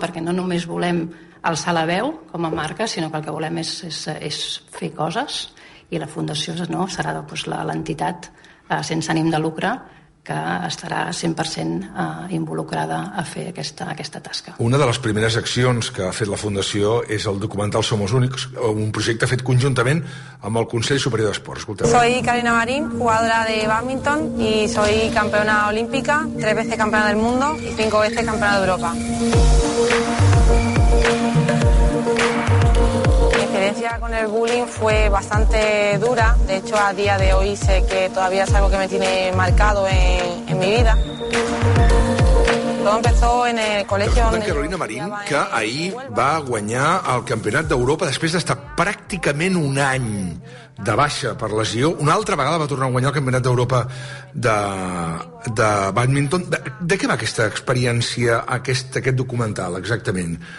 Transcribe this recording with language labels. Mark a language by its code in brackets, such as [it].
[ca] Perquè no només volem alçar la veu com a marca, sinó que el que volem és fer coses, i la fundació, no?, serà, doncs, l'entitat sense ànim de lucre que estarà 100% involucrada a fer aquesta tasca. Una de les primeres accions que ha fet la Fundació és el documental Somos Únics, un projecte fet conjuntament amb el Consell Superior d'Esports. Escolteu. [es] Soy Karina Marín, jugadora de bádminton, y soy campeona olímpica, 3 veces campeona del mundo y 5 veces campeona de Europa. Con el bullying fue bastante dura, de hecho a día de hoy sé que todavía es algo que me tiene marcado en mi vida. Todo empezó en el colegio. [ca] Resulta donde Carolina Marín, que ahir va guanyar el campionat d'Europa després d'estar pràcticament un any de baixa per lesió, una altra vegada va tornar a guanyar el campionat d'Europa de bàdminton. De què va aquesta experiència, aquest documental, exactament?